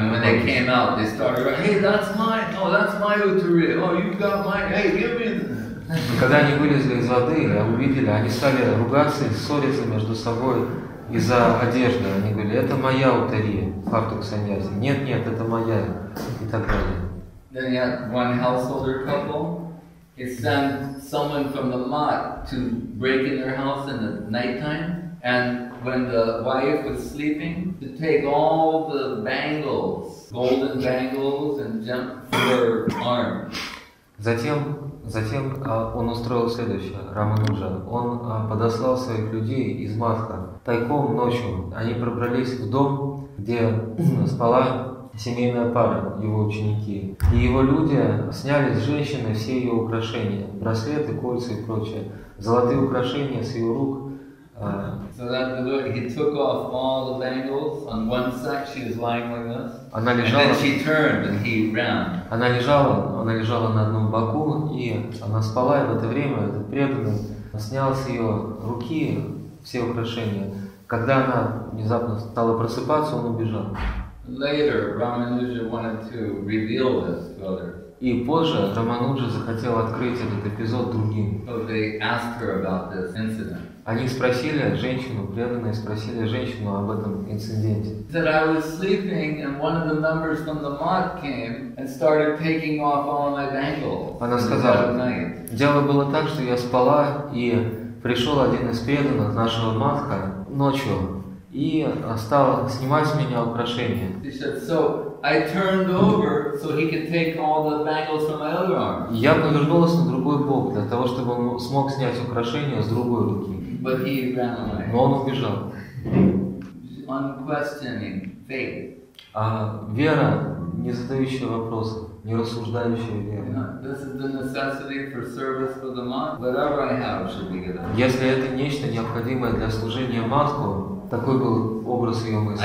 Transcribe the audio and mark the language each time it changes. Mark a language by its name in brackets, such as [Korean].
[English] And when they came out, they started, hey, that's my uttari. Oh, you got my, hey, give me. [Russian] И когда они вылезли из воды, увидели, они стали ругаться и ссориться между собой из-за одежды. Они говорили, это моя уттари, фартук саньяси. Нет, это моя. И так далее. [English] Then he had one householder couple. He sent someone from the lot to break in their house in the nighttime, and when the wife was sleeping, to take all the bangles, golden bangles, and gem for her arm. [Russian] Затем он устроил следующее, Рамануджа. Он подослал своих людей из Матха. Тайком ночью они пробрались в дом, где спала семейная пара, его ученики. И его люди сняли с женщины все ее украшения, браслеты, кольца и прочее, золотые украшения с ее рук. [English] So that the Lord, he took off all the bangles on one side, she was lying like this, [Russian] лежала, [English] and then she turned and he ran. [Russian] Она лежала на одном боку, и она спала, и в это время этот преданный снял с ее руки все украшения. Когда она внезапно стала просыпаться, он убежал. [English] Later, Ramanuja wanted to reveal this to others. [Russian] И позже Рамануджа захотел открыть этот эпизод другим. [English] So they asked her about this incident. [Russian] Они спросили женщину, преданные спросили женщину об этом инциденте. [English] He said, I was sleeping and one of the members from the mod came and started taking off all my bangles. [Russian] Она сказала, дело было так, что я спала, и пришел один из преданных нашего матха ночью и стал снимать с меня украшения. [English] He said, so I turned over so he could take all the bangles from my other arm. [Russian] Я повернулась на другой бок для того, чтобы он смог снять украшения с другой руки. [English] But he ran away. [Russian] Но он убежал. [English] Unquestioning faith. [Russian] Вера, не задающая вопросы, не рассуждающая вера. [English] This is the necessity for service for the mat. Whatever I have should be given. [Russian] Если это нечто необходимое для служения матку, такой был образ ее мысли.